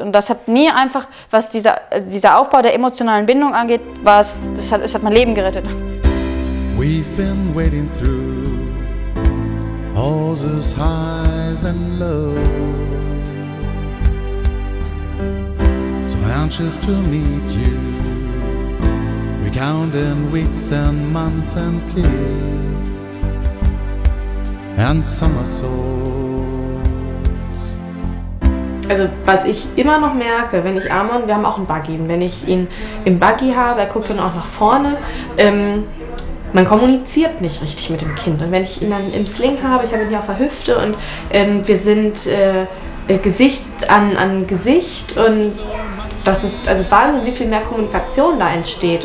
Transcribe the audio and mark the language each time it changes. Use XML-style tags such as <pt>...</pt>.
<de>Und das hat mir einfach, was dieser Aufbau der emotionalen Bindung angeht, das hat mein Leben gerettet.</de> <en>We've been waiting through all this highs and lows. So anxious to meet you. Counting weeks and months and kids and somersaults.</en> <de>Also was ich immer noch merke, wenn ich Amon, wir haben auch einen Buggy, und wenn ich ihn im Buggy habe, er guckt dann auch nach vorne, man kommuniziert nicht richtig mit dem Kind. Und wenn ich ihn dann im Sling habe, ich habe ihn hier auf der Hüfte und wir sind Gesicht an Gesicht und das ist also Wahnsinn, wie viel mehr Kommunikation da entsteht.</de>